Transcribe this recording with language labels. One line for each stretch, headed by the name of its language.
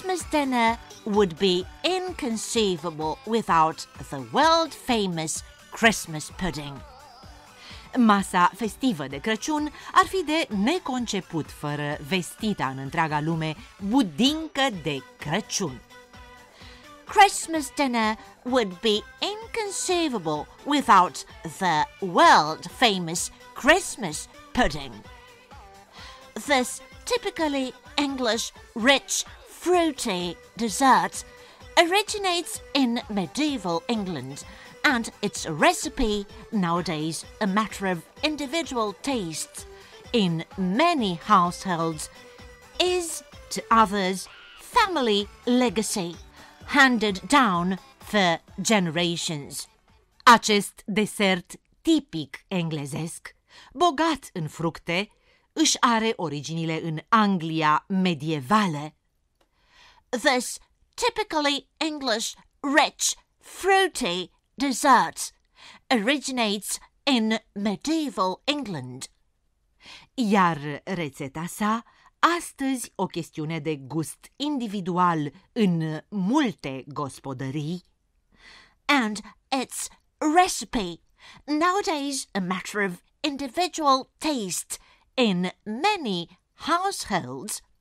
English: Dinner would be inconceivable without the world-famous Christmas pudding.
Romanian: Masa festivă de Crăciun ar fi de neconceput fără vestita în întreaga lume budincă de Crăciun.
English: Christmas dinner would be inconceivable without the world-famous Christmas pudding. This typically English, rich, fruity dessert originates in medieval England, and its recipe, nowadays a matter of individual tastes in many households, is to others family legacy handed down for generations.
Romanian: Acest desert tipic englezesc, bogat în fructe, își are originile în Anglia medievală.
English: This typically English, rich, fruity dessert originates in medieval England.
Romanian: Iar rețeta sa, astăzi o chestiune de gust individual în multe gospodării.
English: And its recipe, nowadays a matter of individual taste in many households,